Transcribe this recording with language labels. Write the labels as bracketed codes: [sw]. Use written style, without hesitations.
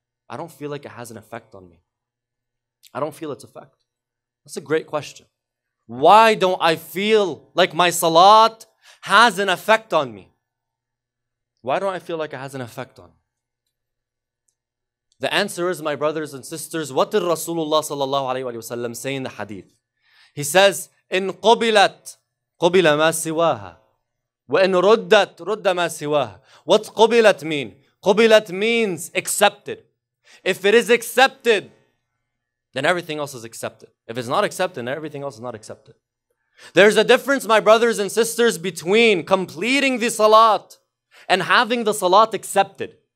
[en] I don't feel like it has an effect on me. I don't feel its effect. That's a great question. Why don't I feel like my salat has an effect on me? Why don't I feel like it has an effect on me? The answer is, my brothers and sisters, what did Rasulullah sallallahu alayhi wa sallam say in the hadith? He says, [ar] إِنْ قُبِلَتْ قُبِلَ مَا سِوَاهَا وَإِنْ رُدَّتْ رُدَّ مَا سِوَاهَا. [en] What's قُبِلَتْ mean? قُبِلَتْ means accepted. If it is accepted, then everything else is accepted. If it's not accepted, then everything else is not accepted. There's a difference, my brothers and sisters, between completing the salat and having the salat accepted.